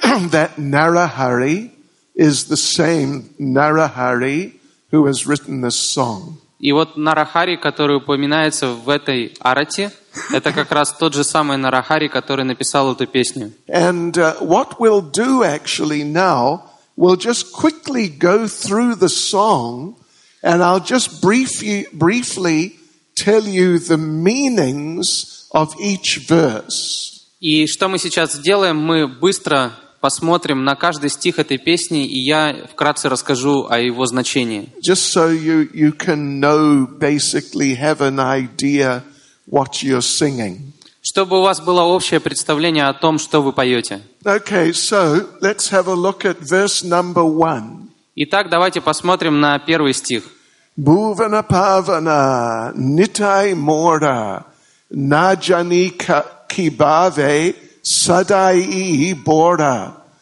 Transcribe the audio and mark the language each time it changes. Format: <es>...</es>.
<en>That Narahari is the same Narahari who has written this song.</en> <ru>И вот Нарахари, который упоминается в этой арати, это как раз тот же самый Нарахари, который написал эту песню.</ru> <en>And what we'll do actually now, we'll just quickly go through the song, and I'll just briefly tell you the meanings of each verse.</en> <ru>И что мы сейчас сделаем? Мы быстро посмотрим на каждый стих этой песни, и я вкратце расскажу о его значении.</ru> <en>Just so you can know, basically have an idea what you're singing.</en> <ru>Чтобы у вас было общее представление о том, что вы поете.</ru> <en>Okay, so let's have a look at verse number one.</en> <ru>Итак, давайте посмотрим на первый стих.</ru> <bn>Бувана павана нитай мора наджани кибаве садаи бора.</bn>